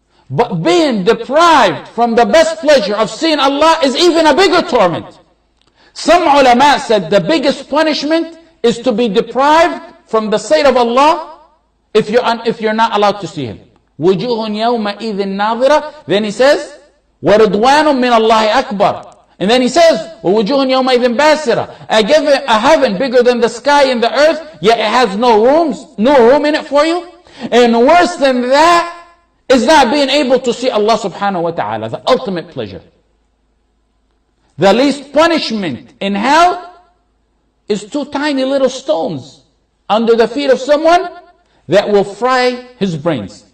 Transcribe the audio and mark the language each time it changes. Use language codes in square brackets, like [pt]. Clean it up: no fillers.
[en] But being deprived from the best pleasure of seeing Allah is even a bigger torment. Some ulama said the biggest punishment is to be deprived from the sight of Allah if you're not allowed to see Him. [ar] وَجُوهٌ يَوْمَئِذٍ نَاظِرَةٌ. [en] Then he says, [ar] وَرُدْوَانٌ مِّنَ اللَّهِ أَكْبَرٌ. [en] And then he says, [ar] وَوَجُوهٌ يَوْمَئِذٍ بَاسِرَةٌ. [en] A heaven bigger than the sky and the earth, yet it has no room in it for you. And worse than that is not being able to see Allah subhanahu wa ta'ala, the ultimate pleasure. The least punishment in hell is two tiny little stones under the feet of someone that will fry his brains.